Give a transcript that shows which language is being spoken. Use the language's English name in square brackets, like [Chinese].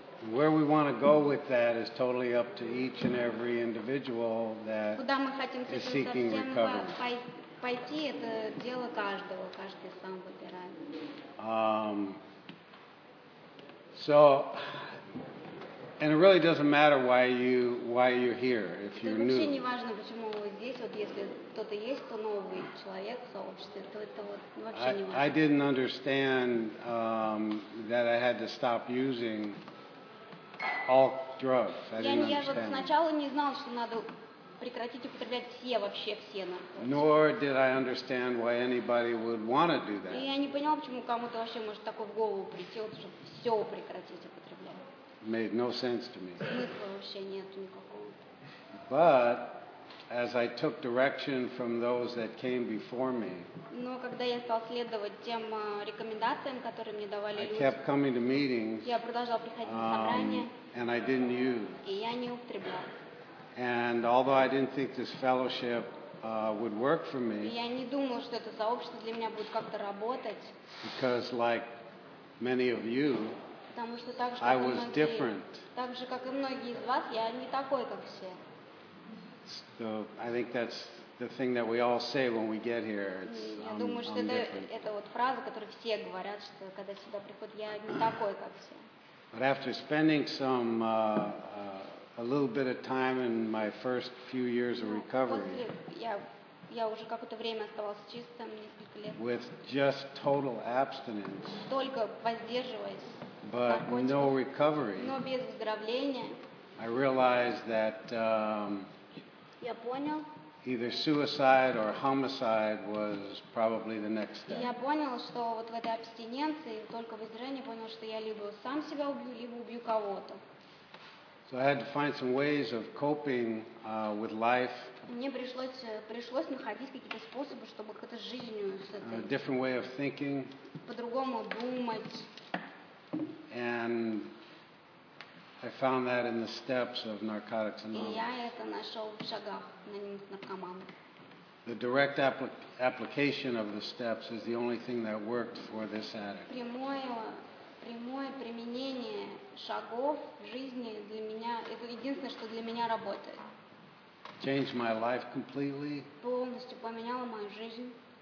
[English] Where we want to go with that is totally up to each and every individual that is seeking recovery. [Russian] Пойти это дело каждого, каждый сам выбирает. [English] And it really doesn't matter why you're here if you're new. [Russian] Вообще не важно, почему вы здесь. Вот если кто-то есть, то новый человек в сообществе, то это вот вообще не важно. [English] I didn't understand that I had to stop using all drugs. [Russian] Сначала не знал, что надо прекратить употреблять все наркотики. [English] Nor did I understand why anybody would want to do that. [Russian] И я не понял, почему кому-то вообще может такое в голову прийти, чтобы все прекратить употреблять. [English] Made no sense to me. [Russian] Смысла вообще нет никакого. [English] But as I took direction from those that came before me. [Russian] Но когда я стал следовать тем рекомендациям, которые мне давали люди. [English] I kept coming to meetings. [Russian] Я продолжал приходить на собрания. [English] And I didn't use. [Russian] И я не употреблял. [English] And although I didn't think this fellowship would work for me, [Russian] я не думал, что это сообщество для меня будет как-то работать. [English] Because like many of you, [Russian] потому что так же, [English] I was different. [Russian] Так же, как и многие из вас, я не такой, как все. [English] So I think that's the thing that we all say when we get here. [Russian] Я думаю, что это вот фраза, которую все говорят, что когда сюда приходят, я не такой, как все. [English] But after spending some a little bit of time in my first few years of recovery. [Russian] Я уже какое-то время оставался чистым, несколько лет. [English] With just total abstinence. [Russian] Только воздерживаясь. [English] But no recovery. [Russian] Но без выздоровления. [English] I realized that [Russian] я понял, [English] either suicide or homicide was probably the next step. [Russian] Я понял, что вот в этой абстиненции, только в воззрении понял, что я либо сам себя убью, либо убью кого-то. [English] So I had to find some ways of coping with life. [Russian] Мне пришлось находить какие-то способы, чтобы как-то с жизнью с этой. [English] A different way of thinking. [Russian] По-другому думать. [English] And I found that in the steps of Narcotics Anonymous. [Russian] И я это нашел в шагах анонимных наркоманов. [English] The direct application of the steps is the only thing that worked for this addict. [Russian] Прямое применение шагов в жизни для меня это единственное, что для меня работает. [English] Changed my life completely. [Russian] Полностью поменяло мою жизнь.